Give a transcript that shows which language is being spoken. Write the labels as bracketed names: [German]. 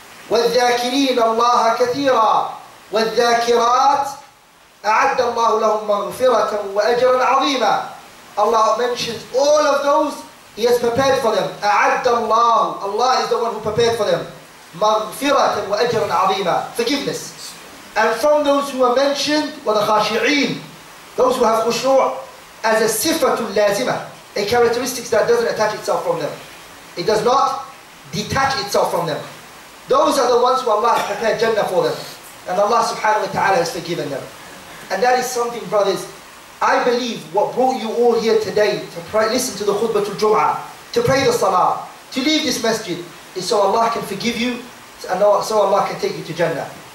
[Arabic] والذاكرين الله كثيرا والذاكرات أعد الله لهم مغفرة وأجرا عظيما. [English] Allah mentions all of those He has prepared for them. [Arabic] أعد الله, [English] Allah is the one who prepared for them. [Arabic] مغفرة وأجرا عظيما, [English] forgiveness. And from those who are mentioned, والخاشعين, those who have خشوع as a [Arabic] صفة لازمة, [English] a characteristic that doesn't attach itself from them. It does not detach itself from them. Those are the ones who Allah has prepared Jannah for them. And Allah subhanahu wa ta'ala has forgiven them. And that is something, brothers, I believe what brought you all here today to pray, listen to the khutbah al Jum'ah, to pray the salah, to leave this masjid, is so Allah can forgive you and so Allah can take you to Jannah.